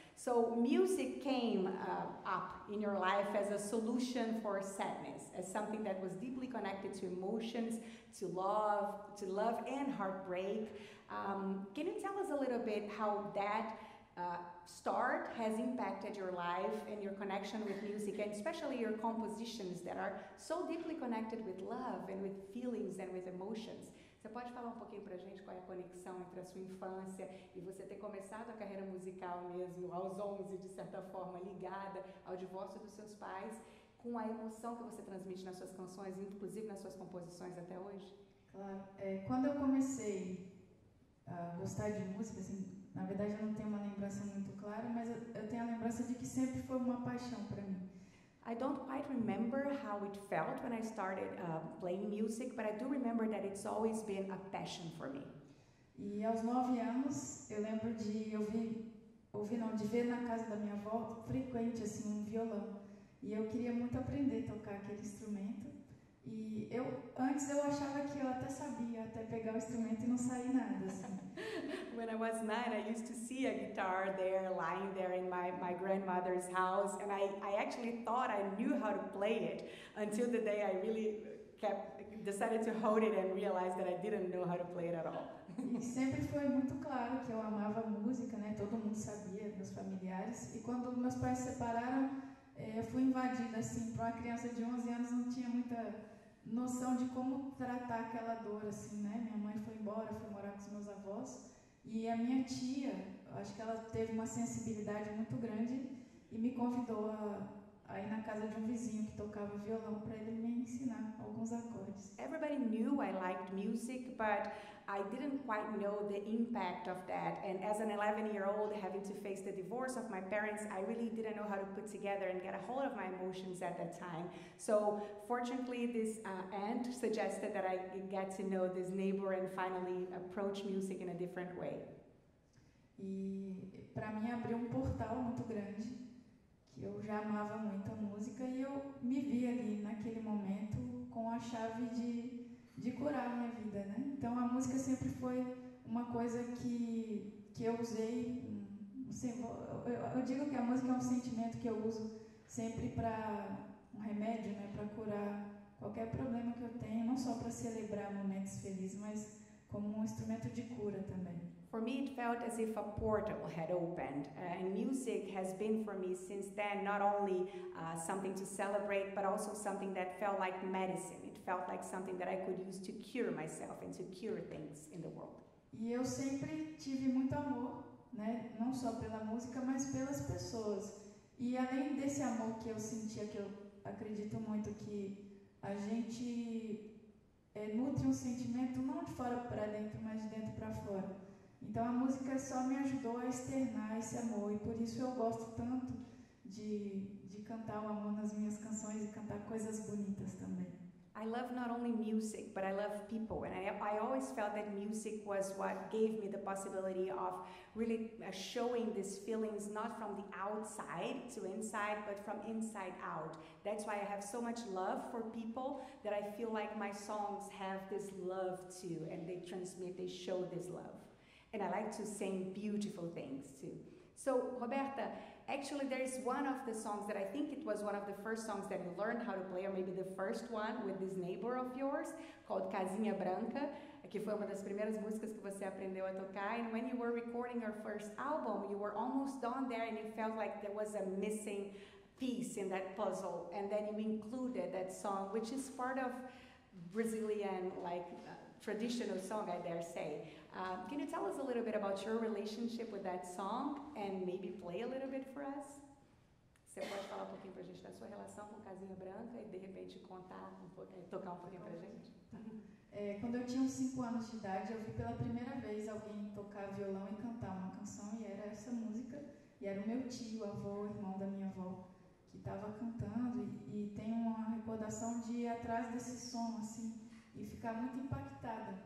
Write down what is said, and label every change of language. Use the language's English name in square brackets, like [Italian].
[English] So music came up in your life as a solution for sadness, as something that was deeply connected to emotions, to love and heartbreak. Can you tell us a little bit how that start has impacted your life and your connection with music, and especially your compositions that are so deeply connected with love and with feelings and with emotions? [Portuguese] Você pode falar um pouquinho pra gente qual é a conexão entre a sua infância e você ter começado a carreira musical mesmo aos 11, de certa forma, ligada ao divórcio dos seus pais, com a emoção que você transmite nas suas canções, inclusive nas suas composições até hoje? Claro. Quando eu comecei a gostar de música, assim, na verdade, eu não tenho uma lembrança muito clara, mas eu tenho a lembrança de que sempre foi uma paixão para mim. [English] I don't quite remember how it felt when I started playing music, but I do remember that it's always been a passion for me. [Portuguese] E aos 9 anos, eu lembro de ver na casa da minha avó frequente assim um violão. E eu queria muito aprender a tocar aquele instrumento, E eu antes eu achava que eu até sabia até pegar o instrumento e não sair nada assim. [English] When I was nine, I used to see a guitar there lying there in my grandmother's house, and I actually thought I knew how to play it until the day I really decided to hold it and realized that I didn't know how to play it at all. [Portuguese] E sempre foi muito claro que eu amava música, né? Todo mundo sabia, meus familiares. E quando meus pais separaram, eu fui invadida, assim, para uma criança de 11 anos, não tinha muita noção de como tratar aquela dor, assim, né? Minha mãe foi embora, fui morar com os meus avós. E a minha tia, acho que ela teve uma sensibilidade muito grande e me convidou a ir na casa de vizinho que tocava violão para ele me ensinar alguns acordes. [English] Everybody knew I liked music, but I didn't quite know the impact of that, and as an 11-year-old having to face the divorce of my parents, I really didn't know how to put together and get a hold of my emotions at that time. So fortunately, this aunt suggested that I get to know this neighbor and finally approach music in a different way. [Portuguese] E para mim abriu portal muito grande, que eu já amava muito a música e eu me vi ali naquele momento com a chave de curar a minha vida, né? Então a música sempre foi uma coisa que eu usei, assim, eu digo que a música é um sentimento que eu uso sempre para um remédio, né, para curar qualquer problema que eu tenho, não só para celebrar momentos felizes, mas como um instrumento de cura também. [English] For me it felt as if a portal had opened, and music has been for me since then not only something to celebrate but also something that felt like medicine. Felt like something that I could use to cure myself and to cure things in the world. [Portuguese] E eu sempre tive muito amor, né? Não só pela música, mas pelas pessoas. E além desse amor que eu sentia, que eu acredito muito que a gente nutre um sentimento não de fora para dentro, mas de dentro para fora. Então a música só me ajudou a externar esse amor, e por isso eu gosto tanto de cantar o amor nas minhas canções e cantar coisas bonitas também. [English] I love not only music, but I love people. And I always felt that music was what gave me the possibility of really showing these feelings, not from the outside to inside, but from inside out. That's why I have so much love for people, that I feel like my songs have this love too, and they transmit, they show this love. And I like to sing beautiful things too. So, Roberta, actually, there is one of the songs that I think it was one of the first songs that you learned how to play, or maybe the first one, with this neighbor of yours, called Casinha Branca, [Portuguese] que foi uma das primeiras músicas que você aprendeu a tocar. [English] And when you were recording your first album, you were almost done there, and you felt like there was a missing piece in that puzzle. And then you included that song, which is part of Brazilian, like, traditional song, I dare say. Can you tell us a little bit about your relationship with that song and maybe play a little bit for us? [Portuguese] Você pode falar um pouquinho pra gente da sua relação com Casinha Branca e de repente contar, tocar um pouquinho pra gente? Quando eu tinha uns 5 anos de idade, eu vi pela primeira vez alguém tocar violão e cantar uma canção, e era essa música, e era o meu tio, avô, irmão da minha avó, que estava cantando, e tem uma recordação de ir atrás desse som, assim, e ficar muito impactada.